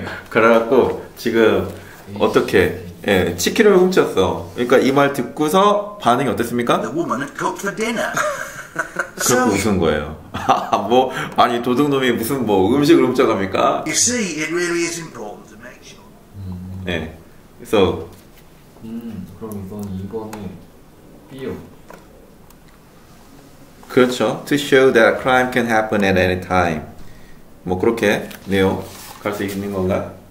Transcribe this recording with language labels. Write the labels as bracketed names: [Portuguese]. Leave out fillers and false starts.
[Korean] 그래갖고 지금 어떻게 예, 치킨을 훔쳤어. 그러니까 이 말 듣고서 반응이 어땠습니까? [English] The woman had cooked for dinner. [Korean] 그렇게 웃은 거예요. 뭐 아니 도둑놈이 무슨 뭐 음식을 훔쳐갑니까? [English] You see, it really is important to make sure. 예, so. [Korean] 그럼 이건 2번에 그렇죠. [English] To show that crime can happen at any time. [Korean] 뭐 그렇게 내용 갈 수 있는 건가?